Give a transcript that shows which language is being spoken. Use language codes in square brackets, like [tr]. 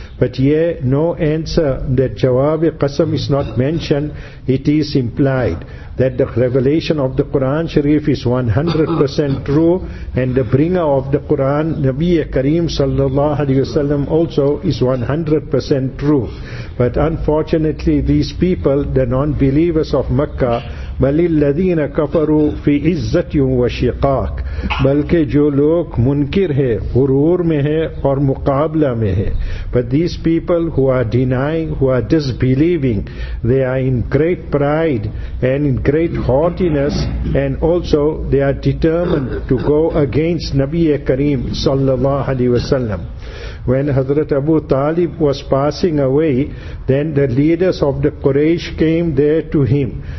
[en] But here, no answer, that jawab-i qasam is not mentioned, it is implied that the revelation of the Quran Sharif is 100% true, and the bringer of the Quran, Nabi Kareem sallallahu alayhi wasallam, also is 100% true. But unfortunately, these people, the non-believers of Makkah, [ar] وَلِلَّذِينَ كَفَرُوا فِي عِزَّتِهُمْ وَشِقَاقِ, [ur] بلکہ جو لوگ منکر ہے غرور میں ہے اور مقابلہ میں ہے. [en] But these people who are denying, who are disbelieving, they are in great pride and in great haughtiness, and also they are determined to go against Nabi Kareem sallallahu alaihi wasallam. When Hazrat Abu Talib was passing away, then the leaders of the Quraysh came there to him.